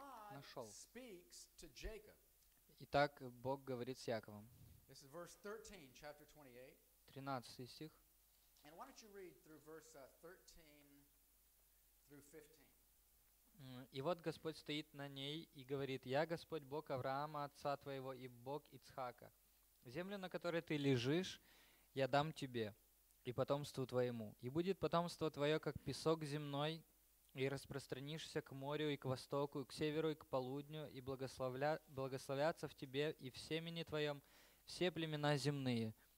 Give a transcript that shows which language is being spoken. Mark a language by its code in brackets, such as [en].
[en] Нашел. Speaks to Jacob. [ru] Итак, Бог говорит с Яковом. [en] This is verse 13, chapter 28. [ru] 13 стих. [en] And why don't you read through verse 13 through 15? [ru] И вот Господь стоит на ней и говорит: «Я Господь Бог Авраама, отца твоего, и Бог Ицхака. Землю, на которой ты лежишь, я дам тебе и потомству твоему. И будет потомство твое, как песок земной, и распространишься к морю, и к востоку, и к северу, и к полудню, и благословятся в тебе и в семени твоем все племена земные.